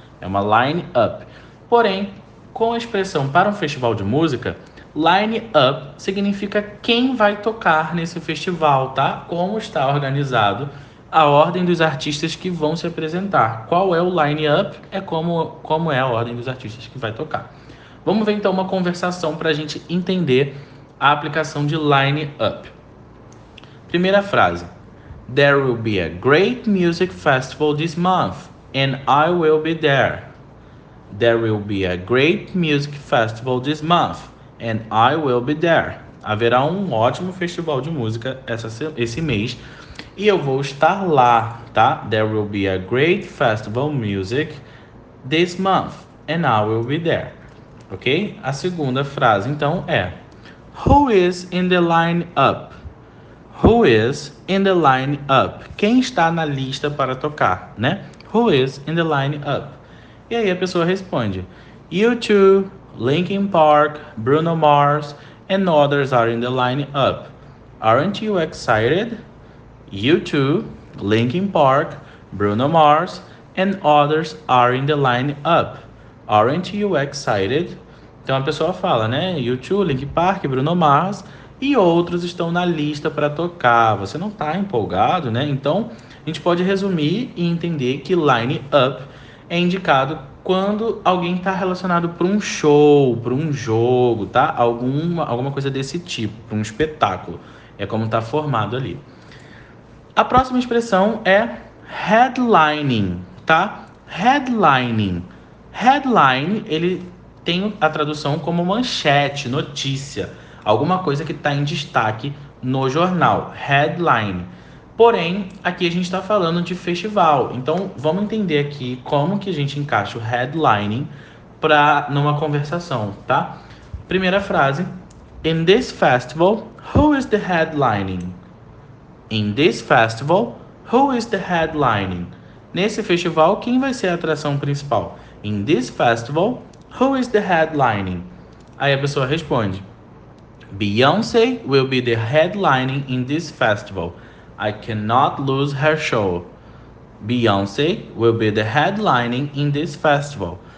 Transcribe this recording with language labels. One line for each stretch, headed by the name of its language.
Portuguese: É uma line up. Porém, com a expressão para um festival de música, line up significa quem vai tocar nesse festival, tá? Como está organizado a ordem dos artistas que vão se apresentar. Qual é o line up? É como é a ordem dos artistas que vai tocar. Vamos ver então uma conversação para a gente entender a aplicação de line up. Primeira frase:
English: There will be a great music festival this month, and I will be there. There will be a great music festival this month, and I will be there.
Portuguese: Haverá um ótimo festival de música esse mês, e eu vou estar lá, tá?
English: There will be a great festival music this month, and I will be there.
Portuguese: Ok? A segunda frase, então, é:
English: Who is in the line up? Who is in the line up?
Portuguese: Quem está na lista para tocar, né?
English: Who is in the line up?
Portuguese: E aí a pessoa responde:
English: U2, Linkin Park, Bruno Mars and others are in the line up. Aren't you excited? U2, Linkin Park, Bruno Mars and others are in the line up. Aren't you excited?
Portuguese: Então a pessoa fala, né? U2, Linkin Park, Bruno Mars e outros estão na lista para tocar. Você não está empolgado, né? Então a gente pode resumir e entender que line up é indicado quando alguém está relacionado para um show, para um jogo, tá? Alguma coisa desse tipo, para um espetáculo. É como está formado ali. A próxima expressão é headlining, tá? Headlining. Headline, ele tem a tradução como manchete, notícia. Alguma coisa que está em destaque no jornal. Headline. Porém, aqui a gente está falando de festival, então vamos entender aqui como que a gente encaixa o headlining para numa conversação, tá? Primeira frase:
English: In this festival, who is the headlining? In this festival, who is the headlining?
Portuguese: Nesse festival, quem vai ser a atração principal?
English: In this festival, who is the headlining?
Portuguese: Aí a pessoa responde:
English: Beyoncé will be the headlining in this festival. I cannot lose her show. Beyoncé will be the headlining in this festival.